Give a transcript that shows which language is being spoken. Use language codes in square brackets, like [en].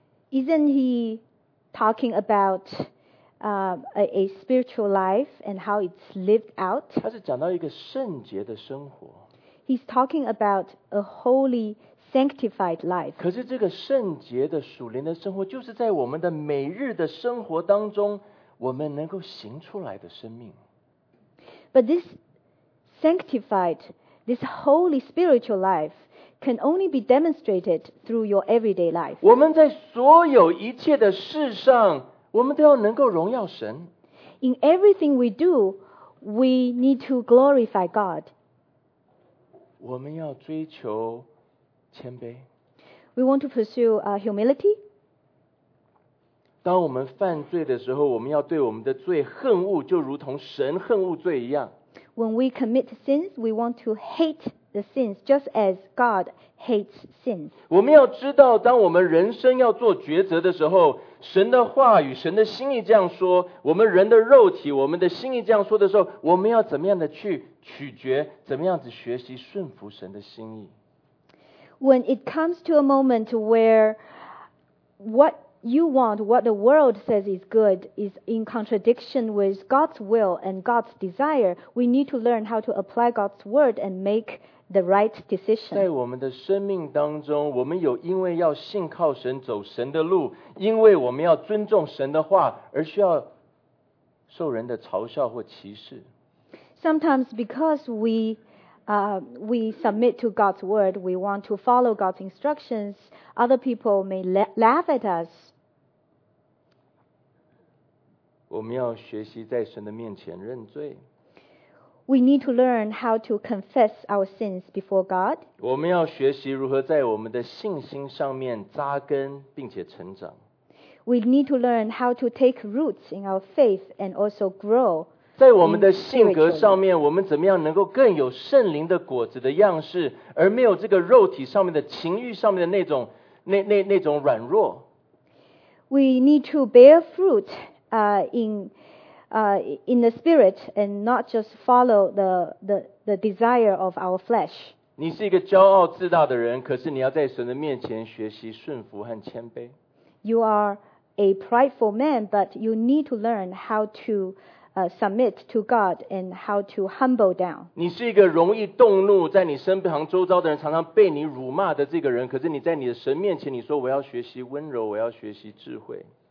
[en] Isn't he talking about a spiritual life and how it's lived out? [zh] 他是讲到一个圣洁的生活。 [en] He's talking about a holy, sanctified life. [zh] 可是这个圣洁的属灵的生活，就是在我们的每日的生活当中，我们能够行出来的生命。 [en] But this sanctifiedThis holy spiritual life can only be demonstrated through your everyday life. [zh] 我们在所有一切的事上，我们都要能够荣耀神。 [en] In everything we do, we need to glorify God. [zh] 我们要追求谦卑。 [en] We want to pursue humility. [zh] 当我们犯罪的时候，我们要对我们的罪恨恶，就如同神恨恶罪一样。 [en] When we commit sins, we want to hate the sins, just as God hates sins. [zh] 我们要知道，当我们人生要做抉择的时候，神的话语、神的心意这样说，我们人的肉体、我们的心意这样说的时候，我们要怎么样的去取决，怎么样子学习顺服神的心意。 [en] When it comes to a moment where what you want what the world says is good is in contradiction with God's will and God's desire, we need to learn how to apply God's word and make the right decision. [zh] 在我们的生命当中，我们有因为要信靠神走神的路，因为我们要尊重神的话而需要受人的嘲笑或歧视。 [en] Sometimes because we submit to God's word, we want to follow God's instructions, other people may laugh at us. [zh] 我们要学习在神的面前认罪。 [en] We need to learn how to confess our sins before God. [zh] 我们要学习如何在我们的信心上面扎根并且成长。 [en] We need to learn how to take roots in our faith and also grow. [zh] 在我们的性格上面，我们怎么样能够更有圣灵的果子的样式，而没有这个肉体上面的情欲上面的那种软弱。 [en] We need to bear fruit in the spirit and not just follow the desire of our flesh. [zh] 你是一个骄傲自大的人，可是你要在神的面前学习顺服和谦卑。 [en] You are a prideful man, but you need to learn how to submit to God and how to humble down. [zh] 你是一个容易动怒，在你身旁周遭的人常常被你辱骂的这个人，可是你在你的神面前，你说我要学习温柔，我要学习智慧。